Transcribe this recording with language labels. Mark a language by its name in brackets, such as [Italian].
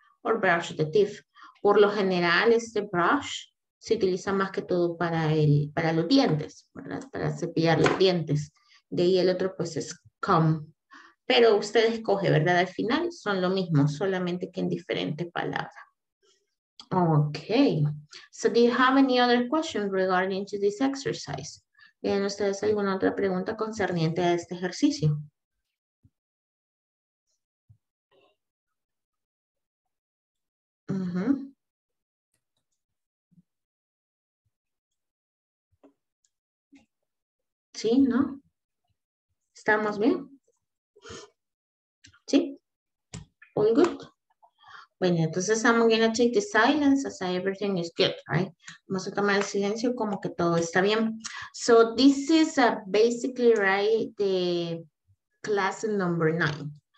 [English] Or brush the teeth. [Spanish] Por lo general, este brush se utiliza más que todo para los dientes, ¿verdad? Para cepillar los dientes. De ahí el otro pues es comb. Pero usted escoge, ¿verdad? Al final son lo mismo, solamente que en diferente palabra. Okay. [English] So do you have any other question regarding to this exercise? [Spanish] ¿Tienen ustedes alguna otra pregunta concerniente a este ejercicio? Uh-huh. ¿Sí? ¿No? ¿Estamos bien? ¿Sí? [English] All good. [Spanish] Bueno, entonces [English] I'm going to take the silence as everything is good, right? [Spanish] Vamos a tomar el silencio como que todo está bien. [English] So this is basically, right, the class number 9.